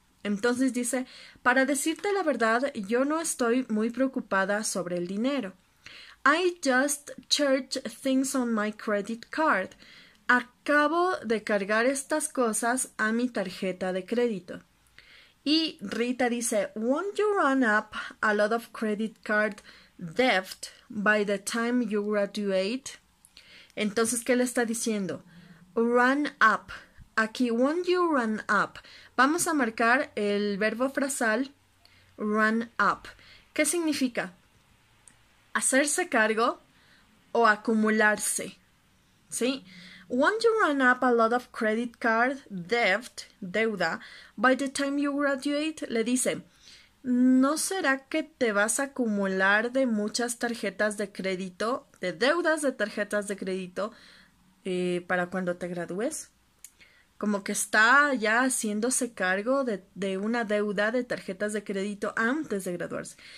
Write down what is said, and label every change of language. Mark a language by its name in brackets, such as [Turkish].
[Spanish] Entonces dice, para decirte la verdad, yo no estoy muy preocupada sobre el dinero. [English] I just charge things on my credit card. [Spanish] Acabo de cargar estas cosas a mi tarjeta de crédito. Y Rita dice, [English] won't you run up a lot of credit card debt by the time you graduate? [Spanish] Entonces, ¿qué le está diciendo? Run up. Aquí, [English] won't you run up? [Spanish] Vamos a marcar el verbo frasal run up. ¿Qué significa? Hacerse cargo o acumularse, ¿sí? [English] Won't you run up a lot of credit card debt, deuda, by the time you graduate? [Spanish] Le dice, ¿No será que te vas a acumular de muchas tarjetas de crédito, de deudas de tarjetas de crédito, para cuando te gradúes? Como que está ya haciéndose cargo de una deuda de tarjetas de crédito antes de graduarse.